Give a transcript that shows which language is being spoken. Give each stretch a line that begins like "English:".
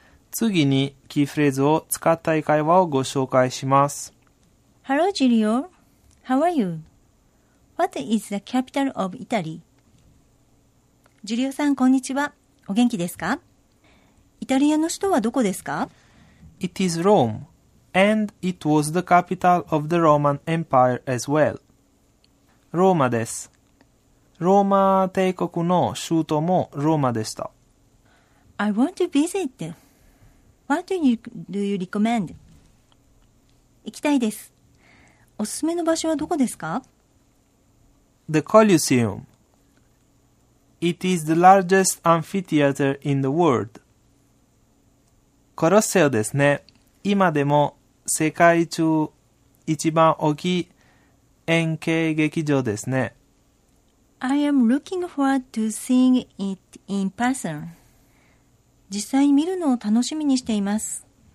Japanese: 次にキーフレーズを使った英会話をご紹介します。
English: Hello, Giulio. How are you? What is the capital of Italy?
Japanese: Giulio さん、こんにちは。お元気ですか？イタリアの首都はどこですか？
English: It is Rome, and it was the capital of the Roman Empire as well.
Japanese: ローマです。ローマ帝国の首都もローマでした。
English: I want to visit. What do you recommend?
Japanese: 行きたいです。おすすめの場所はどこですか?
English: The Colosseum. It is the largest amphitheater in the world.
Japanese: コロッセオですね。今でも世界中一番大きい円形劇場ですね。
English: I am looking forward to seeing it in person.
Japanese: 実際に見るのを楽しみにしています。